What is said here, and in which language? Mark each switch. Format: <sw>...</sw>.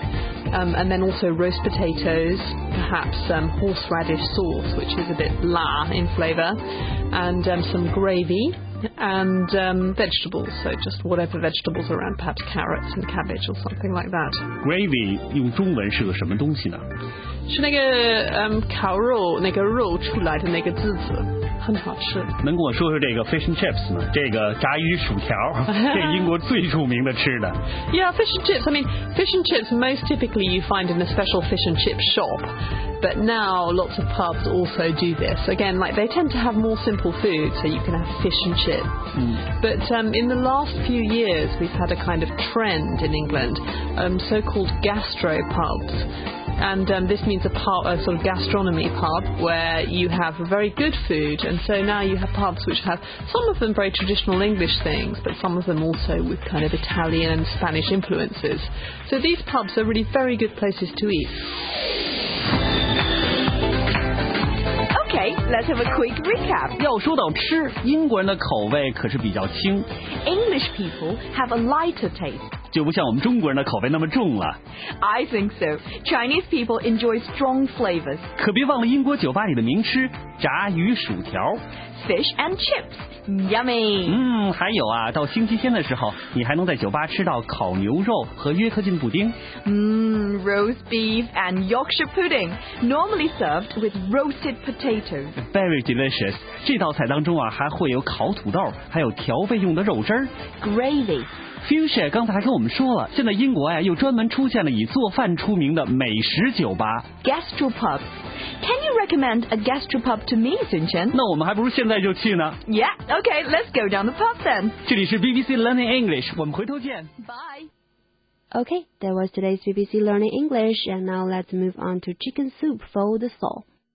<en>And then also roast potatoes, perhaps horseradish sauce, which is a bit la in flavor, and some gravy. And vegetables, so just whatever vegetables are around, perhaps carrots and cabbage or something like that.</en> <zh>Gravy 用中文是个什么东西呢？是那个烤肉那个肉出来的那个汁子，很好吃。能跟我说说这个 fish and chips 吗？这个炸鱼薯条，这英国最著名的吃的。</zh> <en>Yeah, fish and chips. I mean, fish and chips most typically you find in a special fish and chip shop. But now lots of pubs also do this. Again, like they tend to have more simple food, so you can have fish and chips. But in the last few years, we've had a kind of trend in England, so-called gastropubs. And this means a sort of gastronomy pub where you have very good food. And so now you have pubs which have some of them very traditional English things, but some of them also with kind of Italian and Spanish influences. So these pubs are really very good places to eat. Okay, let's have a quick recap.</en> <zh>要说到吃，英国人的口味可是比较轻。</zh> <en>English people have a lighter taste.</en> <zh>就不像我们中国人的口味那么重了。</zh> <en>I think so. Chinese people enjoy strong flavors.</en> <zh>可别忘了英国酒吧里的名吃，炸鱼薯条。</zh> <en>Fish and chips, yummy.</en> <zh>还有啊，到星期天的时候，你还能在酒吧吃到烤牛肉和约克郡布丁。</zh> <en>Roast beef and Yorkshire pudding, normally served with roasted potatoes. Very delicious.</en> <zh>这道菜当中啊，还会有烤土豆，还有调味用的肉汁儿。</zh> <en>Gravy.</en> <zh>Fuchsia 刚才还跟我们说了，现在英国呀又专门出现了以做饭出名的美食酒吧</zh> <en>Gastropub. Can you recommend a gastropub to me, Sun Chen?</en> <zh>那我们还不如现在就去呢。</zh> <en>Yeah, okay, let's go down the pub then.</en> <zh>这里是 BBC Learning English, 我们回头见。</zh> <en>Bye. Okay, that was today's BBC Learning English, and now let's move on to chicken soup for the soul.</en>